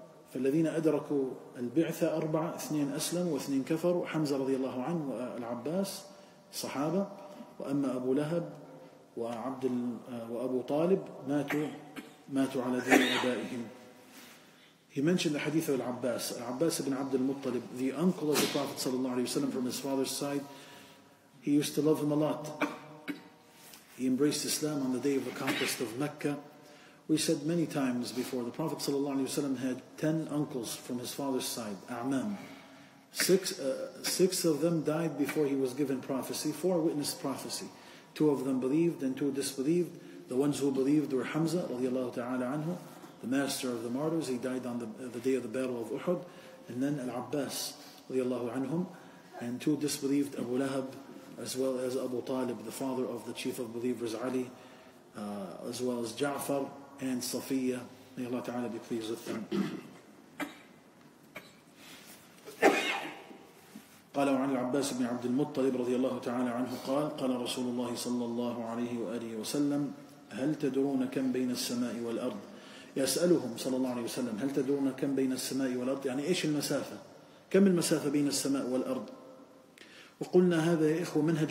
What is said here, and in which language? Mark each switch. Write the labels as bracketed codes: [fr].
[ar] فالذين أدركوا البعثة 4 2 أسلموا واثنين كفروا حمزة رضي الله عنه والعباس صحابة وأما أبو لهب وأبو طالب ماتوا على دين أبائهم. [en] He mentioned the hadith of Al-Abbas. Al-Abbas ibn Abd al-Muttalib, the uncle of the Prophet sallallahu alayhi wa sallam from his father's side, he used to love him a lot. He embraced Islam on the day of the conquest of Mecca. We said many times before, the Prophet sallallahu alayhi wa sallam had 10 uncles from his father's side, A'mam. Six of them died before he was given prophecy. 4 witnessed prophecy. 2 of them believed and 2 disbelieved. The ones who believed were Hamza radiallahu ta'ala anhu, the master of the martyrs. He died on the day of the battle of Uhud, and then Al-Abbas radiallahu anhum, and 2 disbelieved, Abu Lahab as well as Abu Talib, the father of the chief of believers Ali, as well as Ja'far and Safiya. May Allah Ta'ala be pleased with them. [ar] قال عن العباس بن عبد المطلب رضي الله تعالى عنه قال قال رسول الله صلى الله عليه وآله وسلم هل تدرون كم بين السماء والأرض يسألهم صلى الله عليه وسلم هل تدرون كم بين السماء والأرض يعني إيش المسافة كم المسافة بين السماء والأرض وقلنا هذا يا إخوة